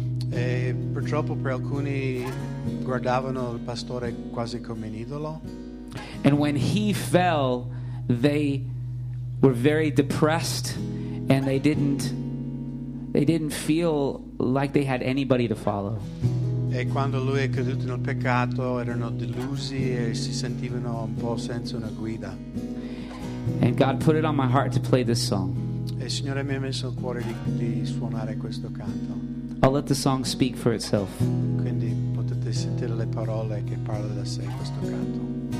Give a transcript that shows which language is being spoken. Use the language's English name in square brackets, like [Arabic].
[Italian] E purtroppo per alcuni guardavano il pastore quasi come un idolo. [English] And when he fell, they were very depressed, and they didn't feel like they had anybody to follow. [Italian] E quando lui è caduto nel peccato, erano delusi e si sentivano un po' senza una guida. [English] And God put it on my heart to play this song. [Italian] E il Signore mi ha messo il cuore di suonare questo canto. [English] I'll let the song speak for itself. [Italian] Quindi potete sentire le parole che parla da sé questo canto.